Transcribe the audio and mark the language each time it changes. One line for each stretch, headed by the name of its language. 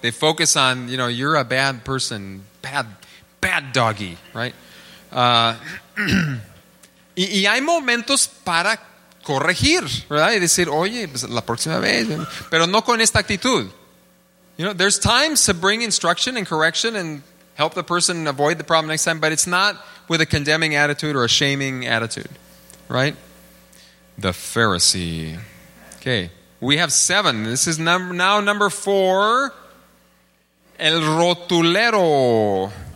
English: They focus on, you know, you're a bad person, bad doggy, right?
Spanish: y hay momentos para corregir, ¿verdad? Y decir, oye, pues la próxima vez, pero no con esta actitud.
English: You know, there's times to bring instruction and correction and help the person avoid the problem next time, but it's not with a condemning attitude or a shaming attitude, right? The Pharisee. Okay, we have 7. This is number 4. El rotulero.